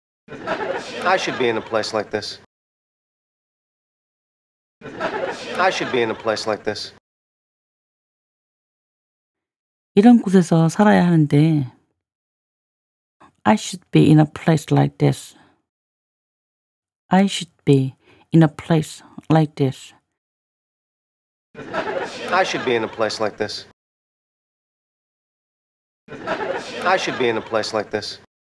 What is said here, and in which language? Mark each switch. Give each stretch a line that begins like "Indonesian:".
English: I should be in a place like this. I should be in a place like this.
Korean: 이런 곳에서 살아야 하는데.
English: I should be in a place like this. I should be in a place like this. I should be in a place like this. I should be in a place like this.